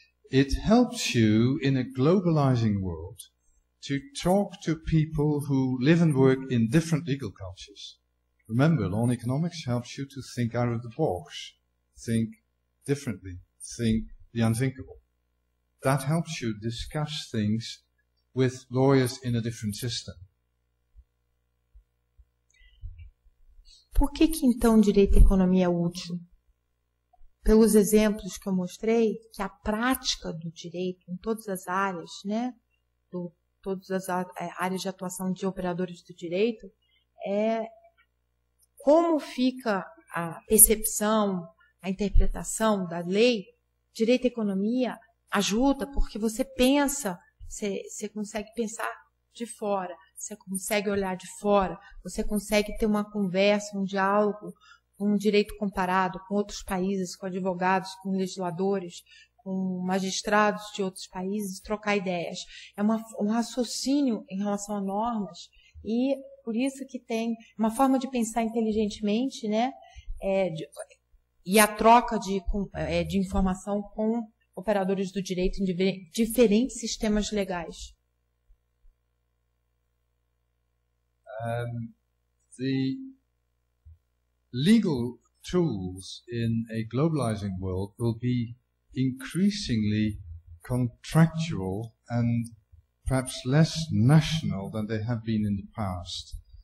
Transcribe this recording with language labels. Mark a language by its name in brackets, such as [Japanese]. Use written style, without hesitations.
[English] It helps you in a globalizing world to talk to people who live and work in different legal cultures. Remember, law and economics helps you to think out of the box, think differently, think the unthinkable. That helps you discuss things with lawyers in a different system. [Portuguese] Por que que então direito e economia é útil? Pelos exemplos que eu mostrei, que a prática do direito em todas as áreas, né, todas as áreas de atuação de operadores do direito, é como fica a percepção, a interpretação da lei. Direito e economia ajuda porque você pensa, você consegue pensar de fora, você consegue olhar de fora, você consegue ter uma conversa, um diálogo, um direito comparado com outros países, com advogados, com legisladores, com magistrados de outros países, trocar ideias. É um raciocínio em relação a normas e por isso que tem uma forma de pensar inteligentemente, né? E a troca de informação com operadores do direito em diferentes sistemas legais. [English] The legal tools in a globalizing world will be increasingly contractual and perhaps less national than they have been in the past.